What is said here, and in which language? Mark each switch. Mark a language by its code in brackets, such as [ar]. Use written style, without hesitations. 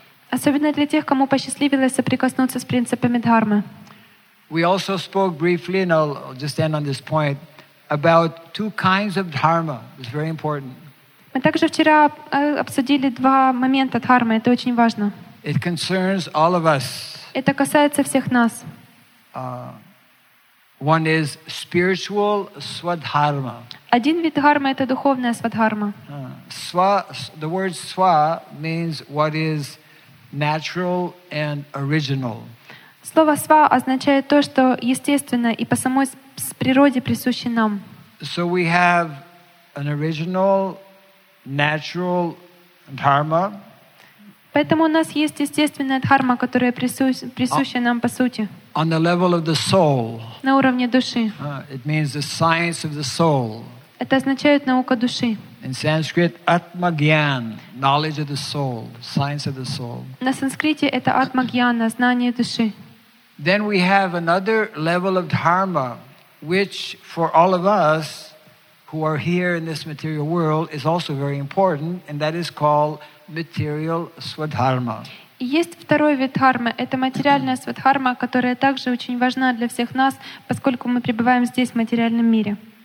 [ru] Особенно для тех, кому посчастливилось соприкоснуться с принципами дхармы. [en] We also spoke briefly, and I'll just end on this point, about two kinds of dharma. It's very important. [ru] Мы также вчера обсудили два момента дхармы. Это очень важно. [en] It concerns all of us. [ru] Это касается всех нас. [en] One is spiritual swadharma. [ru] Один вид дхармы — это духовная свадхарма. [en] The word swa means what is natural and original. [ru] Слово «сва» означает то, что естественно и по самой природе присуще нам. [en] So we have an original, natural dharma. [ru] Поэтому у нас есть естественная дхарма, которая присуща нам по сути. [en] On the level of the soul. [ru] На уровне души. [en] It means the science of the soul. [ru] Это означает наука души. [en] In Sanskrit, atmagyan, knowledge of the soul, science of the soul. [ru] На санскрите это атмагьяна, знание души. [en] Then we have another level of dharma, which for all of us who are here in this material world is also very important, and that is called material swadharma. [ru] Есть второй вид дхармы. Это материальная свадхарма, которая также очень важна для всех нас, поскольку мы пребываем здесь, в материальном мире.